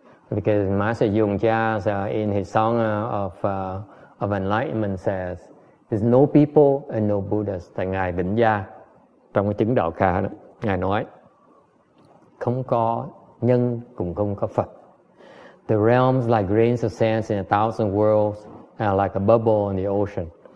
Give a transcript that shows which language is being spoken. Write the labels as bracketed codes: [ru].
[en] Because Master Yung Jia in his song of enlightenment says, there's no people and no Buddhas. [vi] Tại Ngài Vĩnh Gia, trong cái chứng đạo kha đó, Ngài nói, không có nhân cũng không có Phật. [en] The realms like grains of sand in a thousand worlds are like a bubble in the ocean.